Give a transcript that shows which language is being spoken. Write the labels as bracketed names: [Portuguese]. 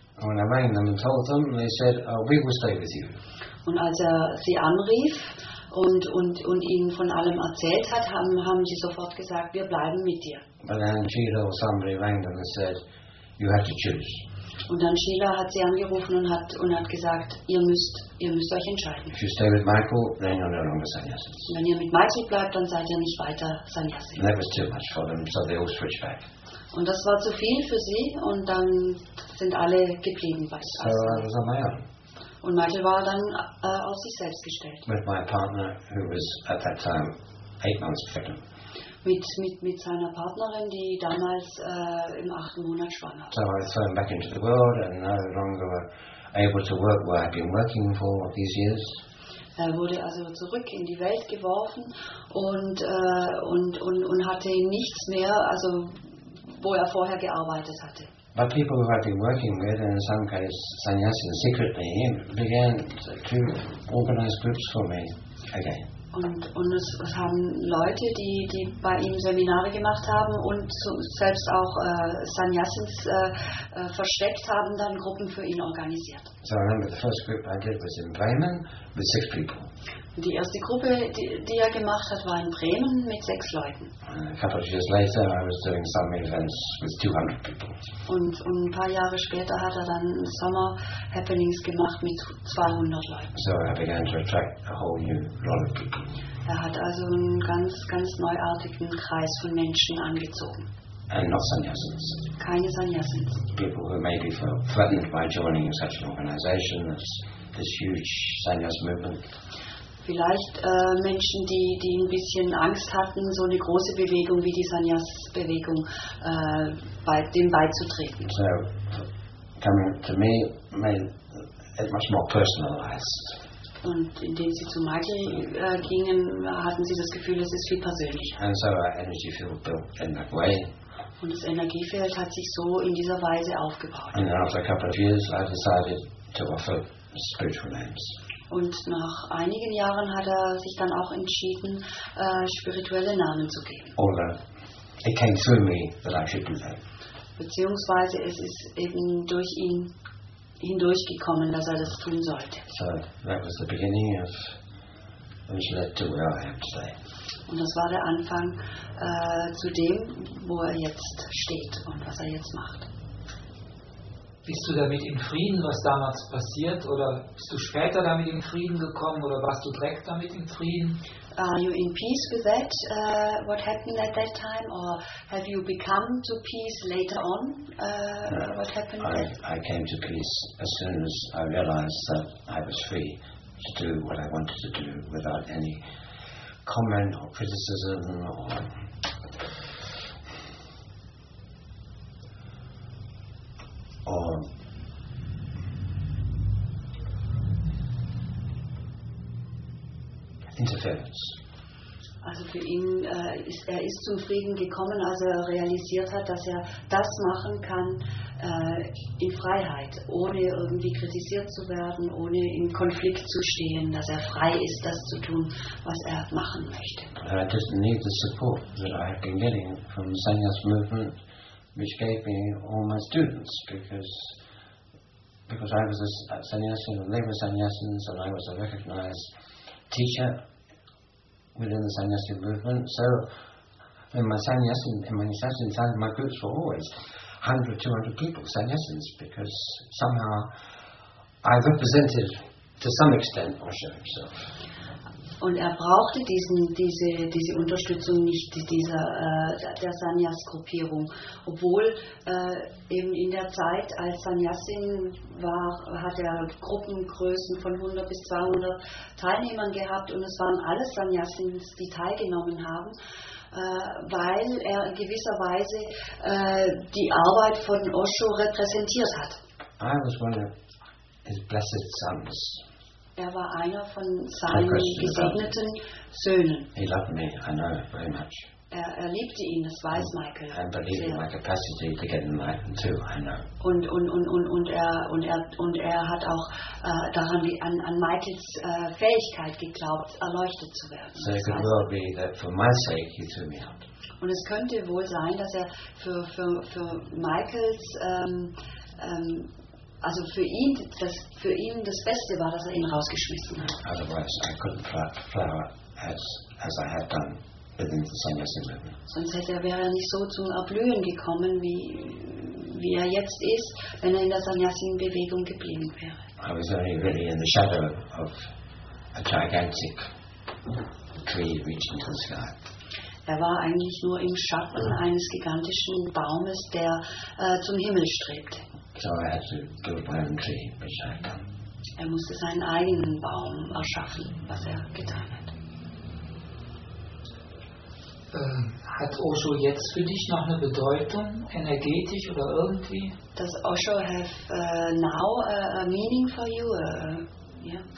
[English] When I rang them and told them, they said, oh, we will stay with you. [German] Und als er sie anrief und ihnen von allem erzählt hat, haben sie sofort gesagt, wir bleiben mit dir. [English] But then Sheila or somebody rang them and said, you have to choose. [German] Und dann Sheila hat sie angerufen und hat gesagt, ihr müsst euch entscheiden. [English] If you stay with Michael, then you're no longer sannyasins. [German] Wenn ihr mit Michael bleibt, dann seid ihr nicht weiter sannyasins. [English] That was too much for them, so they all switched back. [German] Und das war zu viel für sie und dann sind alle geblieben bei Michael. Und Michael war dann auf sich selbst gestellt. [English] With my partner, who was at that time 8 months pregnant. [German] Mit seiner Partnerin, die damals im 8. Monat schwanger war. [English] So I was thrown back into the world and no longer able to work where I've been working for these years. [German] Er wurde also zurück in die Welt geworfen und hatte nichts mehr, also wo er vorher gearbeitet hatte. [English] But people who I've been working with, and in some cases sannyasins secretly, began to organize groups for me again. [German] Und es haben Leute, die bei ihm Seminare gemacht haben und selbst auch Sannyasins versteckt haben, dann Gruppen für ihn organisiert. [English] So I remember the first group I did was in Bremen with 6 people. [German] Die erste Gruppe, die er gemacht hat, war in Bremen mit 6 Leuten. [English] A couple of years later I was doing some events with 200 people. [German] Und ein paar Jahre später hat er dann Summer Happenings gemacht mit 200 Leuten. [English] So I began to attract a whole new lot of people. [German] Er hat also einen ganz, ganz neuartigen Kreis von Menschen angezogen. [English] And not sannyasins. [German] Keine Sannyasins. [English] People who maybe felt threatened by joining such an organization as this huge sannyas movement. [German] Vielleicht Menschen, die ein bisschen Angst hatten, so eine große Bewegung wie die Sannyas-Bewegung dem beizutreten. [English] So, coming to me made it much more personalized. [German] Und indem sie zu Michael gingen, hatten sie das Gefühl, es ist viel persönlicher. [English] And so our energy field built in that way. [German] Und das Energiefeld hat sich so in dieser Weise aufgebaut. [English] And then after a couple of years I decided to offer spiritual names. [German] Und nach einigen Jahren hat er sich dann auch entschieden, spirituelle Namen zu geben. Oder [English] it came through me that I should do that. [German] Beziehungsweise es ist eben durch ihn hindurchgekommen, dass er das tun sollte. [English] So that was the beginning of which led to where I am today. [German] Und das war der Anfang zu dem, wo er jetzt steht und was er jetzt macht. Bist du damit in Frieden, was damals passiert, oder bist du später damit in Frieden gekommen, oder warst du direkt damit in Frieden? [English] Are you in peace with that, what happened at that time, or have you become to peace later on, what happened? I came to peace as soon as I realized that I was free to do what I wanted to do without any comment or criticism or... interference. [German] Also für ihn ist zum Frieden gekommen, als er realisiert hat, dass er das machen kann in Freiheit, ohne irgendwie kritisiert zu werden, ohne in Konflikt zu stehen, dass er frei ist, das zu tun, was er machen möchte. [English] I just need the support that I have been getting from the Sannyas movement, which gave me all my students, because I was a sannyasin, and they were sannyasins, and I was a recognized teacher within the sannyasin movement. So in my sannyasin, my groups were always 100, 200 people, sannyasins, because somehow I represented to some extent Osho himself. [German] Und er brauchte diese Unterstützung nicht dieser der Sannyas-Gruppierung, obwohl eben in der Zeit als Sannyasin war, hat er Gruppengrößen von 100 bis 200 Teilnehmern gehabt und es waren alle Sannyasins, die teilgenommen haben, weil er in gewisser Weise die Arbeit von Osho repräsentiert hat. [English] I was one of his blessed sons. [German] Er war einer von seinen gesegneten Söhnen. [English] He loved me, I know very much. [German] er liebte ihn, das weiß Michael. [English] I believe in my capacity to get enlightened too, I know. [German] Und er hat auch daran an Michaels Fähigkeit geglaubt, erleuchtet zu werden. [English] So it could well be that for my sake he threw me out. [German] Und es könnte wohl sein, dass er für Michaels also für ihn das Beste war, dass er ihn rausgeschmissen hat. [English] Otherwise I couldn't flower as I had done. [German] Sonst wäre er nicht so zum Erblühen gekommen, wie er jetzt ist, wenn er in der Sannyasin-Bewegung geblieben wäre. [English] I was only really in the shadow of a gigantic tree reaching to the sky. [German] Er war eigentlich nur im Schatten eines gigantischen Baumes, der zum Himmel strebt. [English] So I had to build my own tree, which I done. [German] Er musste seinen eigenen Baum erschaffen, was er getan hat. Hat Osho jetzt für dich noch eine Bedeutung, energetisch oder irgendwie? [English] Does Osho have now a meaning for you?